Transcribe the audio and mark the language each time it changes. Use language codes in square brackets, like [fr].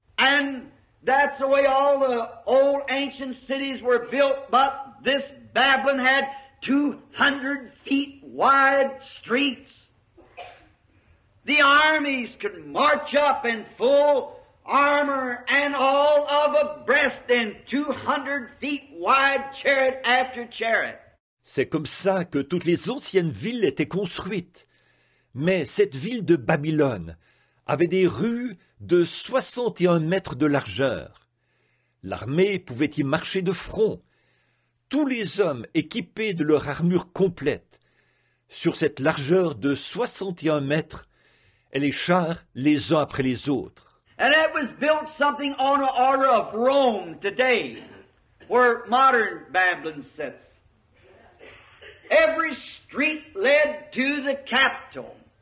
[en] And that's the way all the old ancient cities were built, but this Babylon had 200 feet wide streets. The armies could march up in full armor and all of abreast in 200 feet wide chariot after chariot. [fr] C'est comme ça que toutes les anciennes villes étaient construites. Mais cette ville de Babylone avait des rues de 61 mètres de largeur. L'armée pouvait y marcher de front. Tous les hommes équipés de leur armure complète. Sur cette largeur de 61 mètres, et les chars les uns après les autres. [en] And it was built something on the order of Rome today, where modern Babylon sits. Every street led to the capital.